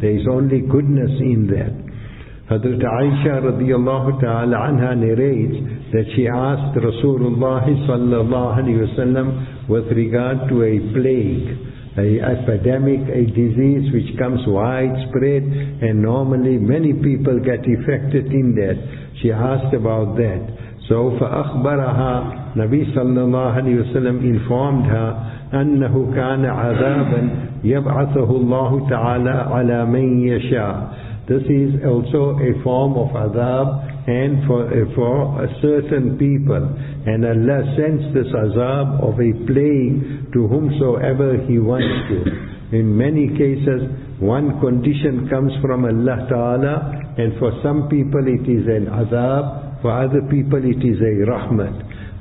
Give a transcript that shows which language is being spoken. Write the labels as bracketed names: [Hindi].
[English] There is only goodness in that. Hazrat Aisha radiyallahu ta'ala anha narrates that she asked Rasulullah sallallahu alayhi wa sallam with regard to a plague, an epidemic, a disease which comes widespread, and normally many people get affected in that. She asked about that. So, [Arabic] فَأَخْبَرَهَا [English] Nabi sallallahu alayhi wa sallam informed her [Arabic] أنه كان عذابا يبعثه الله تعالى على من يشاء. [English] This is also a form of azab, and for a certain people, and Allah sends this azab of a plague to whomsoever He wants to. In many cases, one condition comes from Allah Ta'ala, and for some people it is an azab, for other people it is a rahmat.